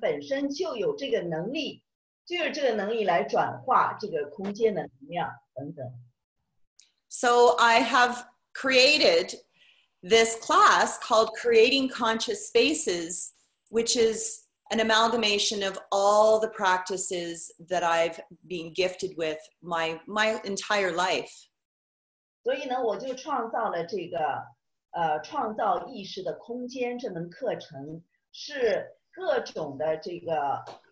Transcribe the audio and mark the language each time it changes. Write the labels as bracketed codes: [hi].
[zh] 就是这个呢，其实不单单只是风水，或者是印度的这个，也是跟空间的能量，这个运用空间能量，而是风水和印度的这个传统的这个文化，还有各个方面的这个融合，是让我们意识到，其实我们本身就有这个能力。 [en] So I have created this class called Creating Conscious Spaces, which is an amalgamation of all the practices that I've been gifted with my entire life. [zh] 所以呢，我就创造了这个创造意识的空间这门课程，是各种的这个。